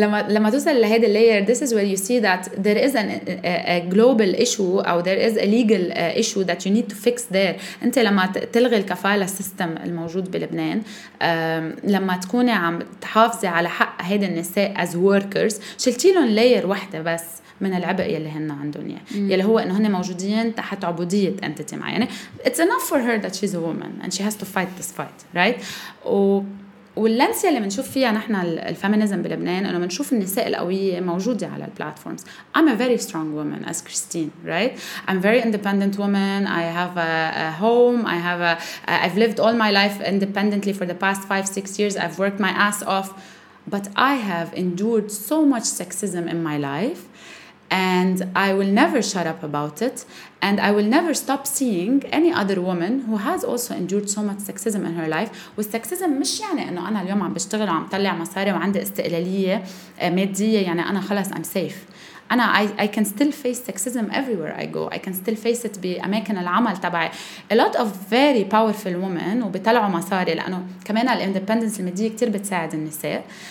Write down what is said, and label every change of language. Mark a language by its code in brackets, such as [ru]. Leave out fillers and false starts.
[ar] لما توصل إلى هيدا اللاير [en] this is where you see that there is a global issue or there is a legal issue that you need to fix there. [ar] أنت لما تلغي الكفالة سيستم الموجود بلبنان, لما تكوني عم تحافظي على حق هيدا النساء [en] as workers, [ar] شلتيلهم لاير واحدة بس من العبء يلي هن عندهم اياه, يلي هو انه هن موجودين تحت عبوديه انتيتي معينه. [en] It's enough for her that she's a woman and she has to fight this fight, right? [ar] واللنسة اللي منشوف فيها نحن الفيمينيزم بلبنان انه منشوف النساء القويه موجوده على البلاتفورمز. [en] I'm a very strong woman as Chrystine, right? I'm a very independent woman. I have a home. I've lived all my life independently for the past 5-6 years. I've worked my ass off, but I have endured so much sexism in my life. And I will never shut up about it. And I will never stop seeing any other woman who has also endured so much sexism in her life. With sexism, [ar] مش يعني أنه أنا اليوم عم بشتغل وعم طلع مصاري وعندي استقلالية مادية, يعني أنا خلاص [en] I'm safe. [ar] أنا [en] I can still face sexism everywhere I go. I can still face it [ar] بأماكن العمل تبعي. [en] A lot of very powerful women [ar] وبيطلعوا مصاري, لأنه كمان الاندبندنس المادية كتير بتساعد النساء.